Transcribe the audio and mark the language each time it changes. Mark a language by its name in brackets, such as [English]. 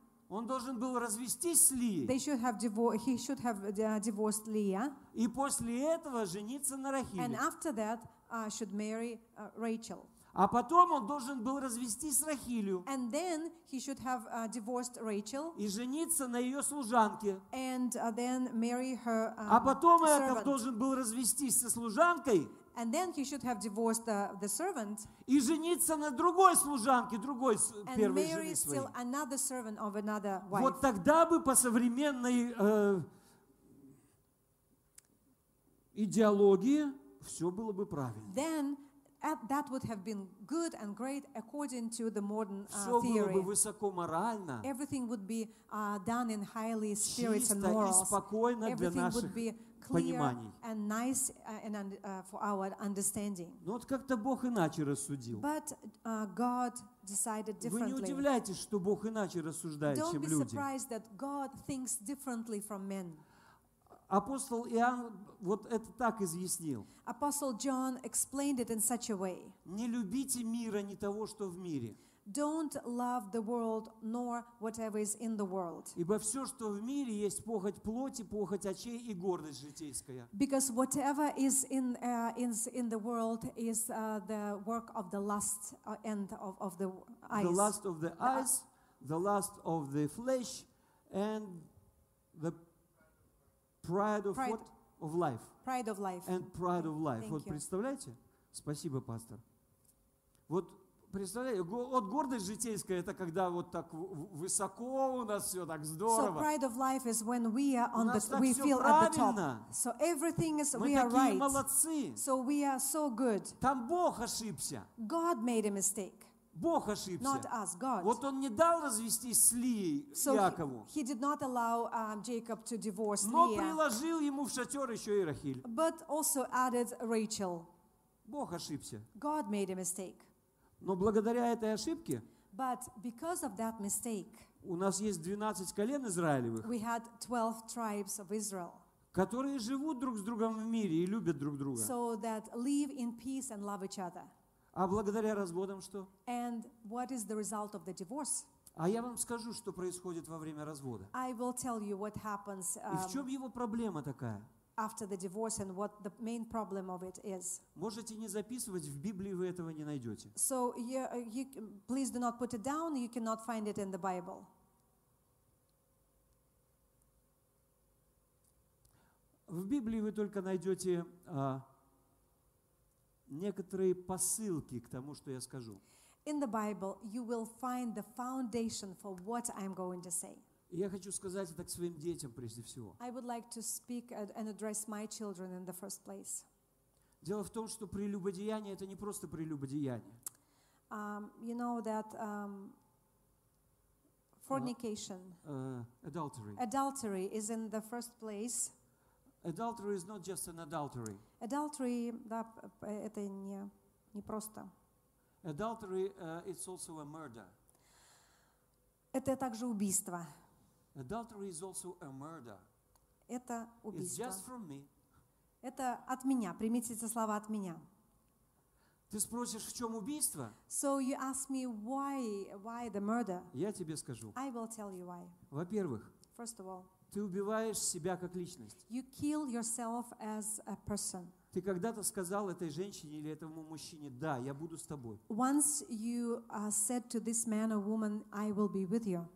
[Russian] Он должен был развестись с Лией. [English] He should have divorced Leah. [Russian] И после этого жениться на Рахиле. [English] And after that, should marry Rachel. [Russian] А потом он должен был развестись с Рахилью. [English] And then he should have divorced Rachel. [Russian] И жениться на ее служанке. [English] And then marry her servant. [Russian] А потом Иаков должен был развестись со служанкой. [English] And then he should have divorced the servant. [Russian] И жениться на другой служанке, другой первой жене своей. [English] And marry still another servant of another wife. [Russian] Вот тогда бы по современной идеологии все было бы правильно. [English] Then that would have been good and great according to the modern theory. [Russian] Все было бы высоко морально. [English] Everything would be done in highly spirits and morals. [Russian] Чисто и спокойно для наших пониманий. [English] And nice and for our understanding. [Russian] Но вот как-то Бог иначе рассудил. [English] But God decided differently. [Russian] Вы не удивляйтесь, что Бог иначе рассуждает, чем люди. [English] Don't be surprised that God thinks differently from men. [Russian] Апостол Иоанн вот это так изъяснил. [English] Apostle John explained it in such a way. [Russian] Не любите мира, не того, что в мире. [English] Don't love the world nor whatever is in the world. [Russian] Ибо все, что в мире, есть похоть плоти, похоть очей и гордость житейская. [English] Because whatever is in the world is the work of the lust and of the eyes. The lust of the eyes, the lust of the flesh, and the pride of what? Of life. Pride of life. And pride of life. [Russian] Вот представляете? Спасибо, пастор. Вот. Представляете, вот гордость житейская, это когда вот так высоко у нас все так здорово. [English] So pride of life is when we are on the, we feel [Russian] правильно. [English] At the top. So everything is, we are right. [Russian] Мы такие молодцы. [English] So we are so good. [Russian] Там Бог ошибся. [English] God made a mistake. [Russian] Бог ошибся. [English] Not us, God. [Russian] Вот он не дал развестись с Лией, [English] so [Russian] Иакову. [English] He did not allow Jacob to divorce [Russian] Но [English] Leah. [Russian] Приложил ему в шатер еще и Рахиль. [English] But also added Rachel. [Russian] Бог ошибся. [English] God made a mistake. [Russian] Но благодаря этой ошибке [English] but because of that mistake, [Russian] у нас есть 12 колен Израилевых, [English] we had 12 tribes of Israel, [Russian] которые живут друг с другом в мире и любят друг друга. [English] So that live in peace and love each other. [Russian] А благодаря разводам что? [English] And what is the result of the divorce? [Russian] А я вам скажу, что происходит во время развода. [English] I will tell you what happens, [Russian] и в чем его проблема такая? [English] After the divorce and what the main problem of it is. [Russian] Можете не записывать, в Библии вы этого не найдете. [English] So you please do not put it down. You cannot find it in the Bible. [Russian] В Библии вы только найдете некоторые посылки к тому, что я скажу. [English] In the Bible you will find the foundation for what I'm going to say. [Russian] Я хочу сказать это к своим детям прежде всего. [English] I would like to speak and address my children in the first place. [Russian] Дело в том, что прелюбодеяние это не просто прелюбодеяние. [English] You know that fornication, adultery is in the first place. Adultery is not just an adultery. [Russian] Adultery, да, это не просто. [English] Adultery, it's also a murder. [Russian] Это также убийство. [English] Adultery is also a murder. [Russian] Это убийство. [English] It's just from me. [Russian] Это от меня. Примите эти слова от меня. Ты спросишь, в чем убийство? [English] So you ask me why the murder? [Russian] Я тебе скажу. [English] I will tell you why. [Russian] Во-первых, [English] first of all, [Russian] ты убиваешь себя как личность. [English] You kill yourself as a person. [Russian] Ты когда-то сказал этой женщине или этому мужчине, да, я буду с тобой. [English] Once you said to this man or woman, I will be with you.